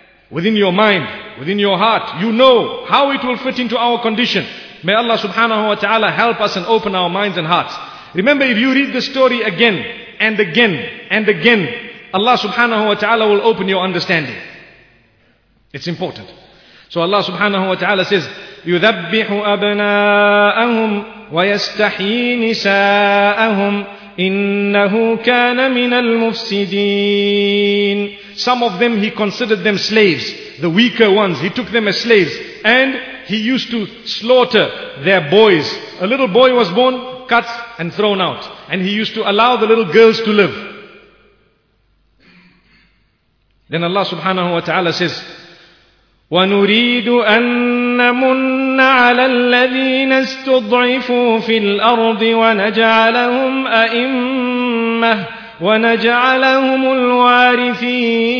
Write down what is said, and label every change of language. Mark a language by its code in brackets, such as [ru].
[en] Within your mind, within your heart, you know how it will fit into our condition. May Allah subhanahu wa ta'ala help us and open our minds and hearts. Remember, if you read the story again and again and again, Allah subhanahu wa ta'ala will open your understanding. It's important. So Allah subhanahu wa ta'ala says, [ar] يُذَبِّحُ أَبْنَاءَهُمْ وَيَسْتَحْيِي نِسَاءَهُمْ إِنَّهُ كَانَ مِنَ الْمُفْسِدِينَ. [en] Some of them he considered them slaves, the weaker ones. He took them as slaves. And he used to slaughter their boys. A little boy was born, cut and thrown out. And he used to allow the little girls to live. Then Allah subhanahu wa ta'ala says, [ar] وَنُرِيدُ أَن نَمُنَّ عَلَى الَّذِينَ اسْتُضْعِفُوا فِي الْأَرْضِ وَنَجْعَلَهُمْ أَئِمَّةً وَنَجْعَلَهُمُ الْوَارِثِينَ.